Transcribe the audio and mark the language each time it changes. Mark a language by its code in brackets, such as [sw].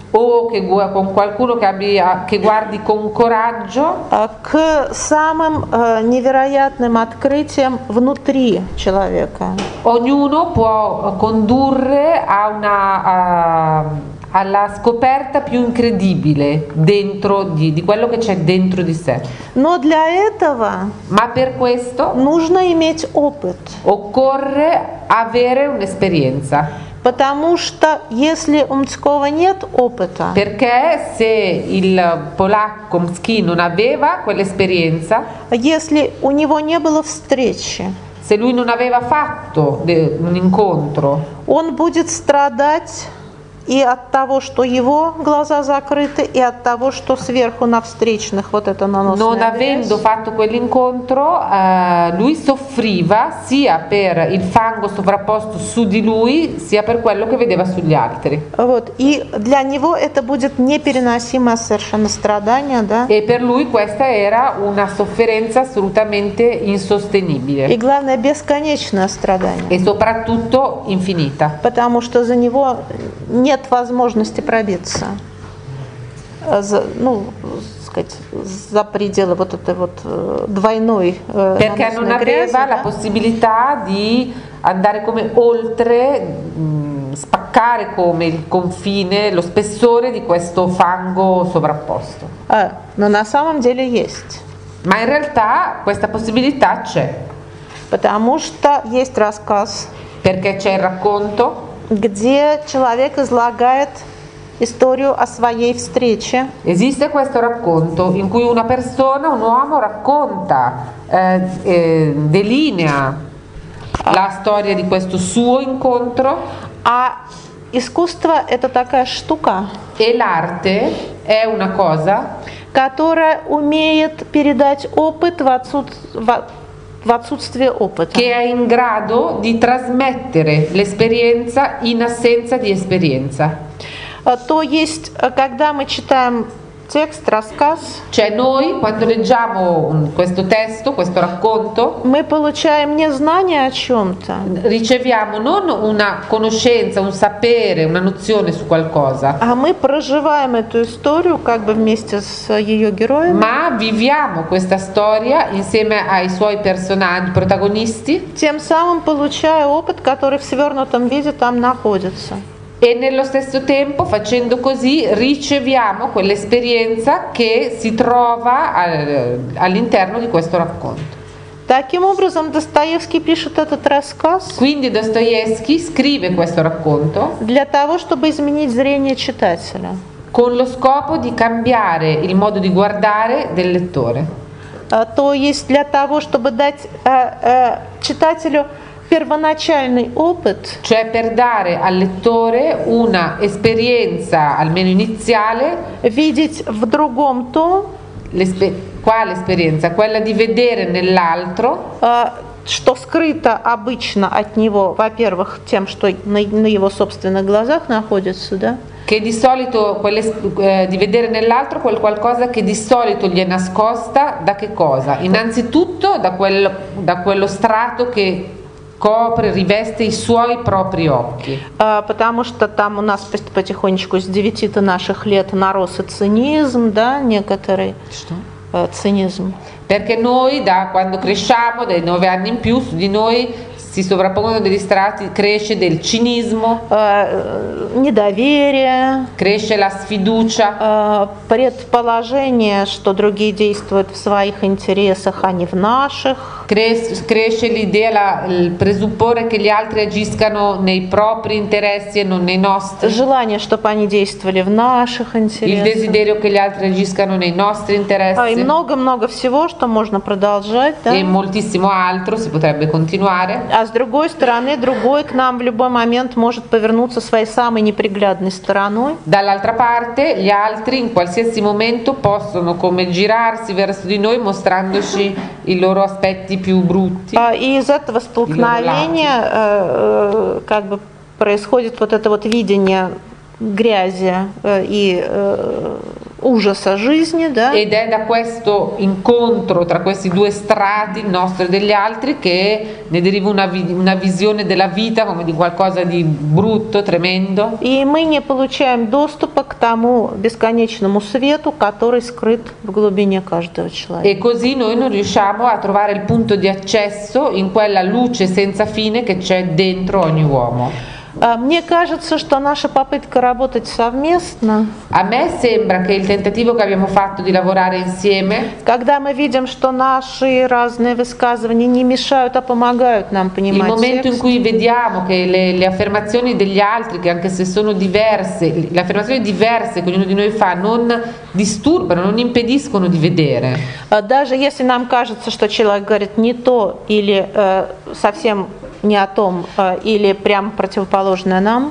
[it] o che con qualcuno che abbia che guardi con coraggio, [ru] к самым невероятным открытиям внутри человека. [it] Ognuno può condurre a una alla scoperta più incredibile dentro di quello che c'è dentro di sé. [ru] Но для этого, [it] ma per questo, [ru] нужно иметь опыт. [it] Occorre avere un'esperienza. [ru] Потому что если у Мцкого нет опыта, [it] perché se il polacco Mski non aveva quell'esperienza, [ru] если у него не было встречи, [it] se lui non aveva fatto un incontro, [ru] он будет страдать и от того, что его глаза закрыты, и от того, что сверху на встречных вот это наносное. [it] Non avendo fatto quell'incontro, lui soffriva sia per il fango sovrapposto su di lui, sia per quello che vedeva sugli altri. [ru] Вот, и для него это будет непереносимое совершенно страдание, да? [it] E per lui questa era una sofferenza assolutamente insostenibile. [ru] И главное, бесконечное страдание. [it] E soprattutto infinita. [ru] Потому что за него нет возможности пробиться за, ну, сказать, за пределы вот этой вот двойной [it] perché non aveva la possibilità di andare come oltre, spaccare come il confine, lo spessore di questo fango sovrapposto. [ru] Но на самом деле есть. [it] Ma in realtà questa possibilità c'è. [ru] Потому что есть рассказ. [it] Perché c'è il racconto. [ru] Где человек излагает историю о своей встрече? [it] Esiste questo racconto in cui una persona, un uomo racconta, delinea la storia di questo suo incontro. [ru] А искусство это такая штука. [it] E l'arte è una cosa, [ru] которая умеет передать опыт в отсутствие опыта. [it] Che è in grado di trasmettere l'esperienza in assenza di esperienza. [ru] То есть, когда мы читаем текст, рассказ, [it] cioè noi quando leggiamo questo testo, questo racconto, [ru] мы получаем не знание о чём-то. [it] Riceviamo non una conoscenza, un sapere, una nozione su qualcosa. [ru] А мы проживаем эту историю как бы вместе с её героями. [it] Ma viviamo questa storia insieme ai suoi personaggi, protagonisti. [ru] Тем самым получая опыт, который в свёрнутом виде там находится. [it] E nello stesso tempo, facendo così, riceviamo quell'esperienza che si trova all'interno di questo racconto. [ru] Таким образом Достоевский пишет этот рассказ. [it] Quindi Dostoevskij scrive questo racconto. [ru] Для того, чтобы изменить зрение читателя. [it] Con lo scopo di cambiare il modo di guardare del lettore. [ru] То есть для того, чтобы дать читателю первоначальный опыт, [it] cioè per dare al lettore una esperienza almeno iniziale, [ru] видеть в другом то, [it] quale esperienza? Quella di vedere nell'altro, [ru] что скрыто обычно от него, во-первых, тем, что на его собственных глазах находится, да? [it] Che di solito di vedere nell'altro quel qualcosa che di solito gli è nascosta da che cosa? Innanzitutto da quello strato che copre, riveste i suoi propri occhi. [ru] Потому что там у нас потихонечку с 9 наших лет нарос цинизм, да, некоторый. Что? Цинизм. [it] Perché noi da quando cresciamo, dai 9 anni in più, su di noi si sovrappongono degli strati, cresce del cinismo. [ru] Недоверие. [it] Cresce la sfiducia. [ru] Предположение, что другие действуют в своих интересах, а не в наших. [it] Cresce l'idea, il presupporre che gli altri agiscano nei propri interessi e non nei nostri. [ru] Желание, чтобы они действовали в наших интересах. [it] Il desiderio che gli altri agiscano nei nostri interessi. [ru] И много-много всего, что можно продолжать, да? [it] E moltissimo altro si potrebbe continuare. [ru] А с другой стороны, другой к нам в любой момент может повернуться своей самой неприглядной стороной. [it] Dall'altra parte, gli altri in qualsiasi momento possono come girarsi verso di noi mostrandoci i loro aspetti più brutti. [ru] И из этого столкновения как бы происходит вот это вот видение грязи и ужаса жизни, да? [it] Ed è da questo incontro tra questi due strati, il nostro e degli altri, che ne deriva una visione della vita come di qualcosa di brutto, tremendo. [ru] И мы не получаем доступа к тому бесконечному свету, который скрыт в глубине каждого человека. [it] E così noi non riusciamo a trovare il punto di accesso in quella luce senza fine che c'è dentro ogni uomo. [ru] Мне кажется, что наша попытка работать совместно. [it] A me sembra che il tentativo che abbiamo fatto di lavorare insieme. [ru] Когда мы видим, что наши разные высказывания не мешают, а помогают нам понимать. [it] Il momento in cui vediamo che le affermazioni degli altri, che anche se sono diverse, le affermazioni diverse che ognuno di noi fa non disturbano, non impediscono di vedere. [ru] Даже если нам кажется, что человек говорит не то или совсем не о том, или прямо противоположное нам.